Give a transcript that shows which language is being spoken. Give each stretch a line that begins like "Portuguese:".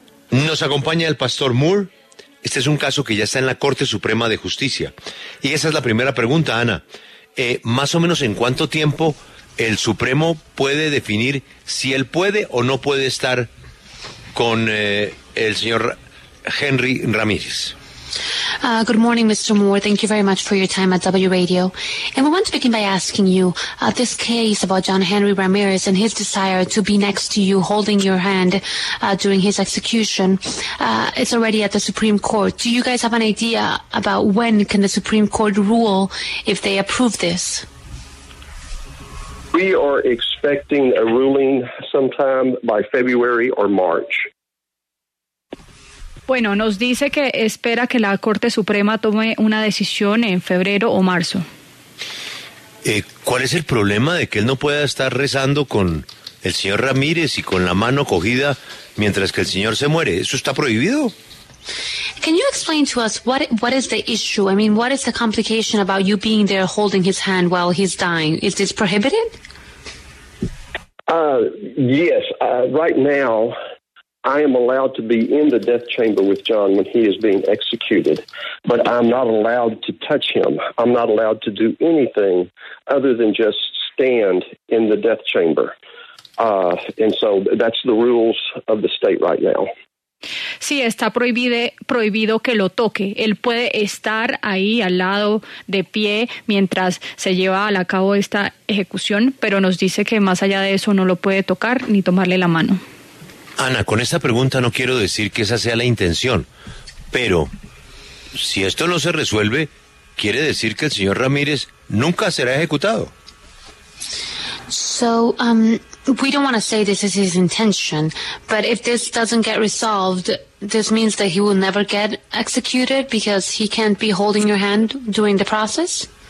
Spanish: Nos acompaña el pastor Moore. Este es un caso que ya está en la Corte Suprema de Justicia. Y esa es la primera pregunta, Ana. Más o menos, ¿en cuánto tiempo el Supremo puede definir si él puede o no puede estar con el señor Henry Ramírez?
English: Good morning, Mr. Moore. Thank you very much for your time at W Radio. And we want to begin by asking you, this case about John Henry Ramirez and his desire to be next to you, holding your hand during his execution, it's already at the Supreme Court. Do you guys have an idea about when can the Supreme Court rule if they approve this? We are expecting a ruling sometime by February or March.
Spanish: Bueno, nos dice que espera que la Corte Suprema tome una decisión en febrero o marzo. ¿Cuál es el problema de que él no pueda estar rezando con el señor Ramírez y con la mano cogida mientras que el señor se muere? ¿Eso está prohibido?
English: Can you explain to us what is the issue? I mean, what is the complication about you being there holding his hand while he's dying? Is this prohibited? Right now I am allowed to be in the death chamber with John when he is being executed, but I'm not allowed to touch him. I'm not allowed to do anything other than just stand in the death chamber. And so that's the rules of the state right now.
Spanish: Sí, está prohibido que lo toque. Él puede estar ahí al lado de pie mientras se lleva a cabo esta ejecución, pero nos dice que más allá de eso no lo puede tocar ni tomarle la mano. Ana, con esta pregunta no quiero decir que esa sea la intención, pero si esto no se resuelve, quiere decir que el señor Ramírez nunca será ejecutado.
English: So, we don't want to say this is his intention, but if this doesn't get resolved, this means that he will never get executed because he can't be holding your hand during the process?